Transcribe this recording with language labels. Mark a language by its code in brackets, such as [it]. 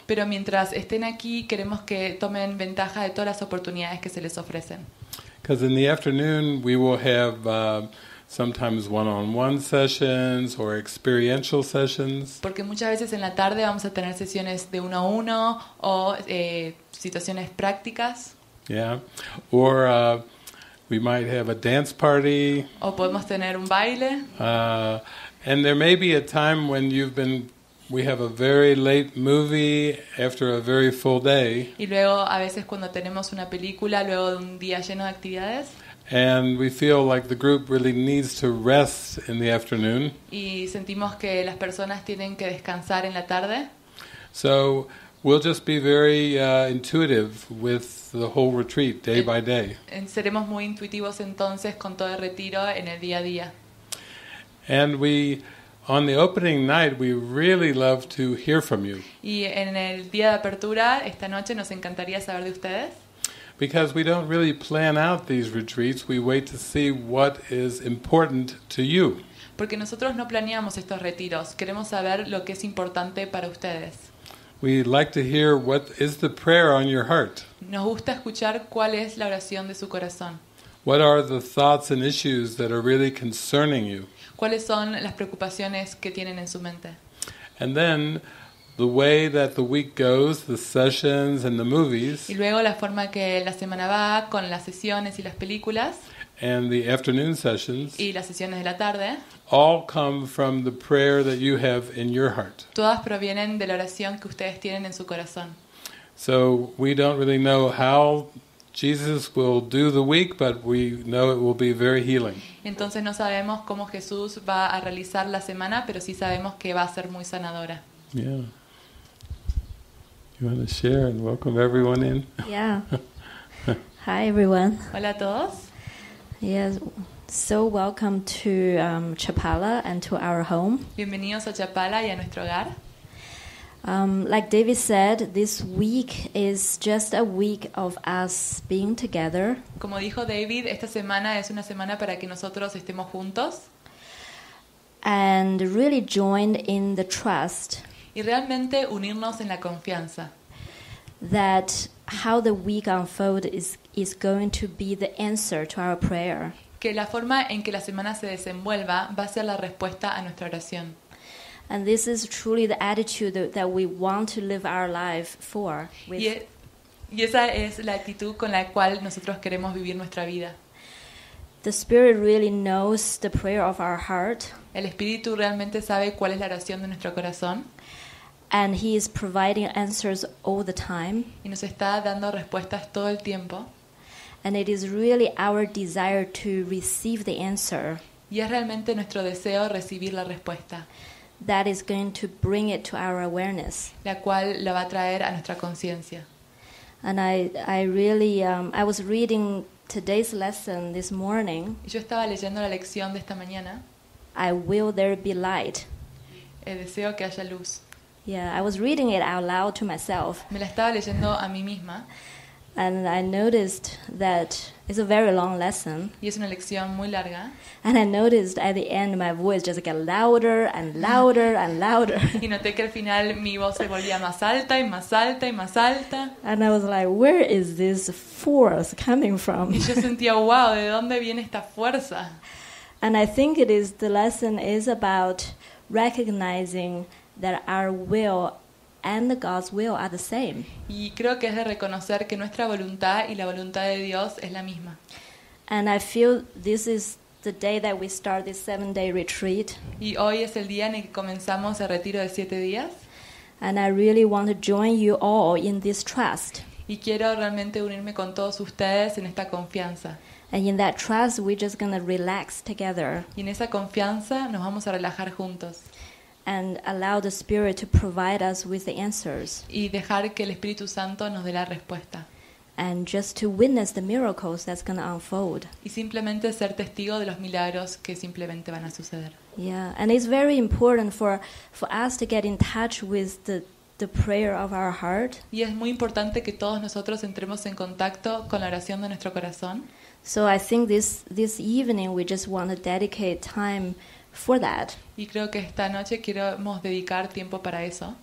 [es] Pero mientras estén aquí, queremos que tomen ventaja de todas las oportunidades que se les ofrecen. [en] Because in the afternoon we will have sometimes one-on-one sessions or experiential sessions. [es] Porque muchas veces en la tarde vamos a tener sesiones de uno a uno o situaciones prácticas. [en] Yeah. Or we might have a dance party. [es] O podemos tener un baile. [en] And there may be a time when we have a very late movie after a very full day. [es] Y luego a veces cuando tenemos una película luego de un día lleno de actividades. [en] And we feel like the group really needs to rest in the afternoon. [es] Y sentimos que las personas tienen que descansar en la tarde. [en] So we'll just be very intuitive with the whole retreat day by day. [es] Seremos muy intuitivos entonces con todo el retiro en el día a día. [en] And we, on the opening night, we really love to hear from you. [es] Y en el día de apertura, esta noche, nos encantaría saber de ustedes. [en] Because we don't really plan out these retreats, we wait to see what is important to you. [es] Porque nosotros no planeamos estos retiros, queremos saber lo que es importante para ustedes. [en] We like to hear what is the prayer on your heart. [es] Nos gusta escuchar cuál es la oración de su corazón. [en] What are the thoughts and issues that are really concerning you? [es] ¿Cuáles son las preocupaciones que tienen en su mente? [en] And then the way that the week goes, the sessions and the movies. [es] Y luego la forma que la semana va con las sesiones y las películas. [en] And the afternoon sessions. [es] Y las sesiones de la tarde. [en] All come from the prayer that you have in your heart. [es] Todas provienen de la oración que ustedes tienen en su corazón. [en] So we don't really know how Jesus will do the week, but we know it will be very healing. [es] Entonces no sabemos cómo Jesús va a realizar la semana, pero sí sabemos que va a ser muy sanadora. [en] Yeah. You want to share and welcome everyone in? Yeah. Hi everyone. [es] Hola a todos. [en] Yes. So welcome to Chapala and to our home. [es] Bienvenidos a Chapala y a nuestro hogar. [en] Like David said, this week is just a week of us being together. [es] Como dijo David, esta semana es una semana para que nosotros estemos juntos. [en] And really joined in the trust. [es] Y realmente unirnos en la confianza. [en] That how the week unfolds is going to be the answer to our prayer. [es] Que la forma en que la semana se desenvuelva va a ser la respuesta a nuestra oración. [en] And this is truly the attitude that we want to live our life for. [es] Y esa es la actitud con la cual nosotros queremos vivir nuestra vida. [en] The Spirit really knows the prayer of our heart. [es] El Espíritu realmente sabe cuál es la oración de nuestro corazón. [en] And He is providing answers all the time. [es] Y nos está dando respuestas todo el tiempo. [en] And it is really our desire to receive the answer. [es] Y es realmente nuestro deseo recibir la respuesta. [en] That is going to bring it to our awareness. [es] La cual lo va a traer a nuestra conciencia. [en] And I was reading today's lesson this morning. [es] Yo estaba leyendo la lección de esta mañana. [en] I will there be light. [es] Deseo que haya luz. [en] Yeah, I was reading it out loud to myself. [es] Me la estaba leyendo a mí misma. [en] And I noticed that it's a very long lesson. [es] Y es una lección muy larga. [en] And I noticed at the end my voice just got louder and louder and louder. [es] Y noté que al final mi voz se volvía más alta y más alta y más alta. [en] And I was like, where is this force coming from? [es] Y yo sentía, wow, ¿de dónde viene esta fuerza? [en] And I think it is the lesson is about recognizing that our will and God's will are the same. [es] Y creo que es de reconocer que nuestra voluntad y la voluntad de Dios es la misma. [en] And I feel this is the day that we start this 7-day retreat. [es] Y hoy es el día en el que comenzamos el retiro de 7 días. [en] And I really want to join you all in this trust. [es] Y quiero realmente unirme con todos ustedes en esta confianza. [en] And in that trust we're just going to relax together. [es] Y en esa confianza nos vamos a relajar juntos. [en] And allow the Spirit to provide us with the answers. [es] Y dejar que el Espíritu Santo nos dé la respuesta. [en] And just to witness the miracles that's going to unfold. [es] Y simplemente ser testigo de los milagros que simplemente van a suceder. [en] Yeah, and it's very important for us to get in touch with the prayer of our heart. [es] Y es muy importante que todos nosotros entremos en contacto con la oración de nuestro corazón. [en] So I think this evening we just want to dedicate time for that. [es] Y creo que esta noche queremos dedicar tiempo para eso.